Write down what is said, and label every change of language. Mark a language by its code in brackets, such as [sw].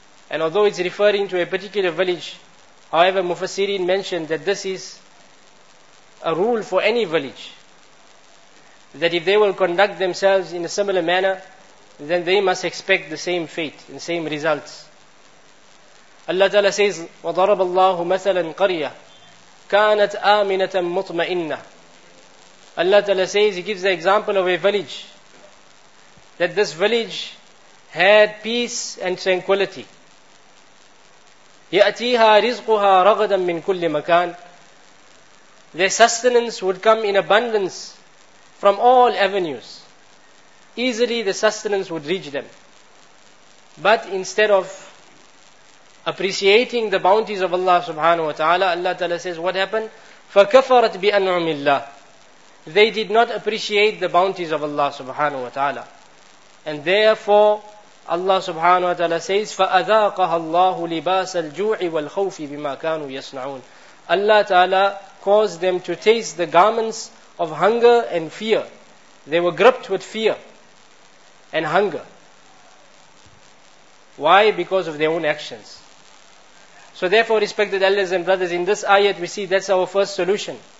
[en] And although it's referring to a particular village, however, Mufassirin mentioned that this is a rule for any village, that if they will conduct themselves in a similar manner, then they must expect the same fate and same results. Allah ta'ala says, [ar] وَضَرَبَ اللَّهُ مَثَلًا قَرْيَةً كَانَتْ آمِنَةً مُطْمَئِنَّةً. [en] Allah ta'ala says, He gives the example of a village, that this village had peace and tranquility. [ar] يَأْتِيهَا رِزْقُهَا رَغَدًا مِّن كُلِّ مَكَانٍ. [en] Their sustenance would come in abundance from all avenues. Easily the sustenance would reach them. But instead of appreciating the bounties of Allah subhanahu wa ta'ala, Allah ta'ala says, what happened? [ar] فَكَفَرَتْ بِأَنْعُمِ اللَّهِ. [en] They did not appreciate the bounties of Allah subhanahu wa ta'ala. And therefore, Allah subhanahu wa ta'ala says, [ar] فَأَذَاقَهَ اللَّهُ لِبَاسَ الْجُوعِ وَالْخَوْفِ بِمَا كَانُوا يَصْنَعُونَ. [en] Allah ta'ala caused them to taste the garments of hunger and fear. They were gripped with fear and hunger. Why? Because of their own actions. So therefore, respected elders and brothers, in this ayat we see that's our first solution.